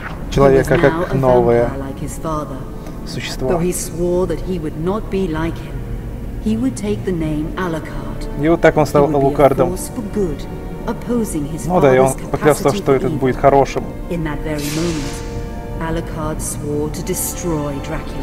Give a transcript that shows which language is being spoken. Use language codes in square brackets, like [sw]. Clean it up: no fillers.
[ru] человека как новое существо. [en] Though he swore that he would not be like him, he would take the name Alucard. [ru] И вот так он стал Алукардом. [en] Good, [ru] ну да, и он поклялся, что этот будет хорошим. [en] In that very moment, Alucard swore to destroy Dracula.